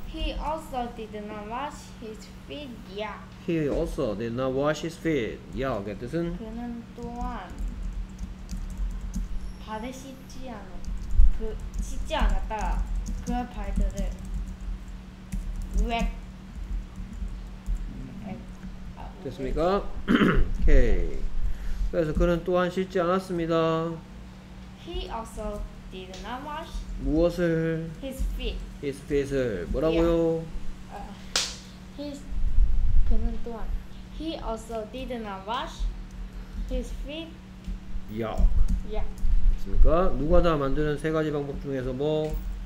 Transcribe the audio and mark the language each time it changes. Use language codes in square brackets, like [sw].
[en] He also did not wash his feet yet. He also did not wash his feet yet. [ko] 그 뜻은? 그는 또한 발을 씻지 않아. 그 씻지 않았다. 그 발들을 왜 됐습니까? 오케이. 그래서 그는 또한 씻지 않았습니다. [en] He also did not wash [ko] 무엇을? [en] His feet. His feet [ko] 을 뭐라고요? [en] His [ko] 그는 또한 [en] He also did not wash his feet. [ko] 야. 야. 됐습니까? 누가 다 만드는 세 가지 방법 중에서 뭐?